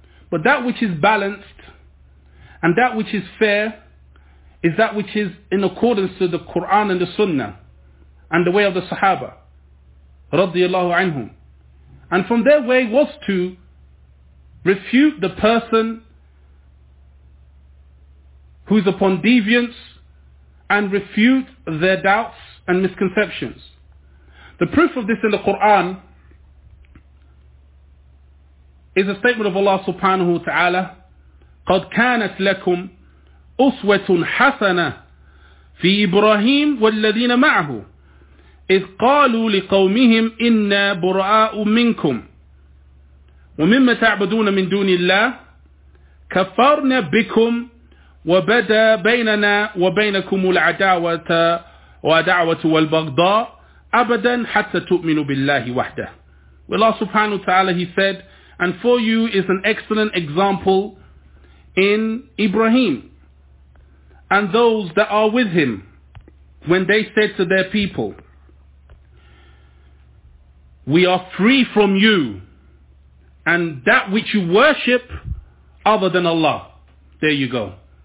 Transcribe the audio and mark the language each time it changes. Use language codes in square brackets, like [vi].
[en] But that which is balanced and that which is fair is that which is in accordance to the Quran and the Sunnah and the way of the Sahaba radiallahu anhum. And from their way was to refute the person who's upon deviance and refute their doubts and misconceptions. The proof of this in the Quran is a statement of Allah subhanahu wa ta'ala, [ar] قَدْ كَانَتْ لَكُمْ أُسْوَةٌ حَسَنَةٌ فِي إِبْرَاهِيمَ وَالَّذِينَ مَعْهُ إِذْ قَالُوا لِقَوْمِهِمْ إِنَّا بُرَآءُ مِنْكُمْ وَمِمَّا تَعْبُدُونَ مِنْ دُونِ اللَّهِ كَفَرْنَا بِكُمْ وَبَدَى بَيْنَنَا وَبَيْنَكُمُ الْعَدَاوَةَ وَدَعْوَةُ وَالْبَغْضَاءُ أَبَدًا حَتَّى تُؤْمِنُوا بِاللَّهِ وَحْدَهُ. [en] Allah subhanahu wa ta'ala, he said, and for you is an excellent example in Ibrahim and those that are with him, when they said to their people, we are free from you and that which you worship other than Allah. There you go.